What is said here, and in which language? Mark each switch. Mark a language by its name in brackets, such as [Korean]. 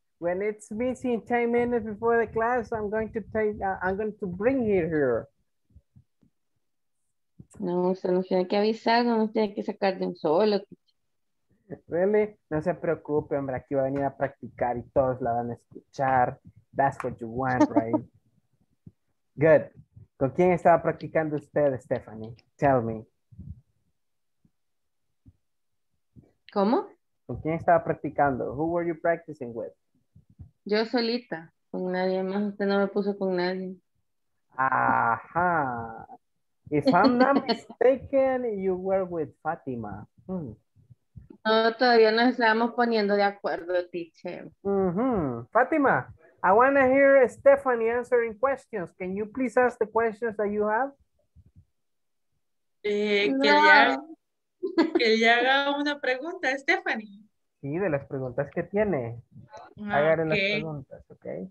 [English] When it's missing 10 minutes before the class, I'm going to bring it here. [Spanish] No, usted no tiene que avisar, no nos tiene que sacar de un solo. Really? No se preocupe, hombre, aquí va a venir a practicar y todos la van a escuchar. [English] That's what you want, right? Good. [Spanish] ¿Con quién estaba practicando usted, [English] Stephanie? Tell me. [Spanish] ¿Cómo? ¿Con quién estaba practicando? [English] Who were you practicing with? [Spanish] Yo solita, con nadie más. Usted no me puso con nadie. Ajá. [English] If I'm not mistaken, you were with Fátima. [Spanish] No, todavía no estamos poniendo de acuerdo, teacher. [English] Mm-hmm. Fátima, I want to hear Stephanie answering questions. Can you please ask the questions that you have? [Spanish] Que ella haga una pregunta, Stephanie. Sí, de las preguntas que tiene. Hagan las preguntas, ¿ok?